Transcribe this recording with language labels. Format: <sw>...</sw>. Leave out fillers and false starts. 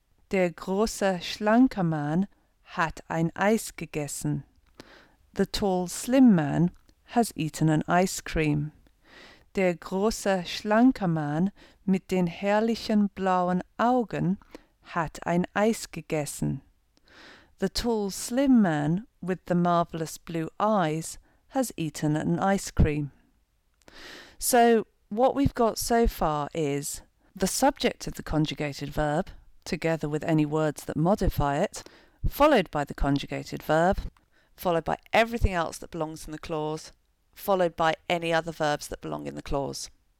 <de>Der große, schlanke Mann hat ein Eis gegessen.</de> <en>The tall, slim man has eaten an ice cream.</en> <de>Der große, schlanke Mann mit den herrlichen blauen Augen hat ein Eis gegessen.</de> <en>The tall, slim man with the marvellous blue eyes has eaten an ice cream. So, what we've got so far is the subject of the conjugated verb, together with any words that modify it, followed by the conjugated verb, followed by everything else that belongs in the clause, followed by any other verbs that belong in the clause.</en>